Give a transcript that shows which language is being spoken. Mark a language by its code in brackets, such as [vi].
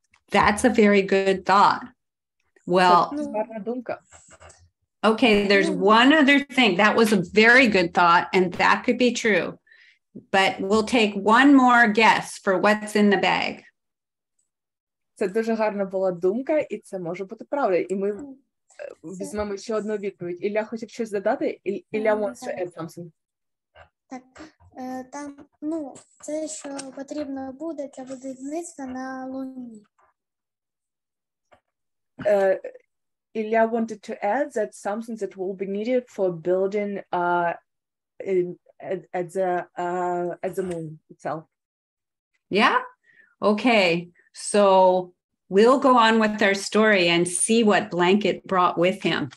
[en] That's a very good thought. Well, okay, there's one other thing. That was a very good thought, and that could be true. But we'll take one more guess for what's in the bag. [uk] Це дуже гарна була думка, і це може бути правда. І ми візьмемо ще одну відповідь. Ілля хоче щось додати? Ілля [en] wants to add something. [uk] Так, там, це, що потрібно буде для будівництва на Луні. [en] Ілля wanted to add that something that will be needed for building at the moon itself. Yeah. Okay. So we'll go on with our story and see what Blanket brought with him.